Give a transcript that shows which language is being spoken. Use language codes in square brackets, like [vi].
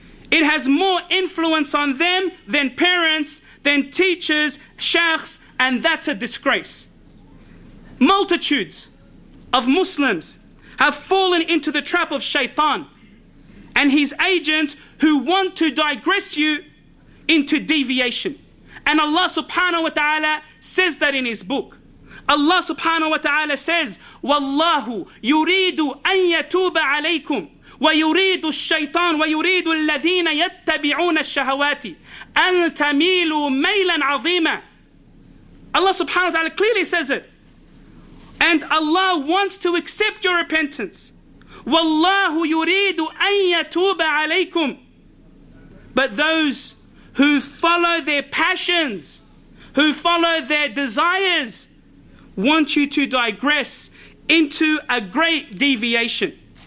[en] It has more influence on them than parents, than teachers, sheikhs, and that's a disgrace. Multitudes of Muslims have fallen into the trap of shaitan and his agents who want to digress you into deviation. And Allah subhanahu wa ta'ala says that in his book. Allah subhanahu wa ta'ala says, [ar] وَاللَّهُ يُرِيدُ أَن يَتُوبَ عَلَيْكُمْ وَيُرِيدُ الشَّيْطَانُ وَيُرِيدُ الَّذِينَ يَتَّبِعُونَ الشَّهَوَاتِ أَن تَمِيلُوا مَيْلًا عَظِيمًا. [en] Allah subhanahu wa ta'ala clearly says it. And Allah wants to accept your repentance. [ar] وَاللَّهُ يُرِيدُ أَن يَتُوبَ عَلَيْكُمْ. [en] But those who follow their passions, who follow their desires, want you to digress into a great deviation.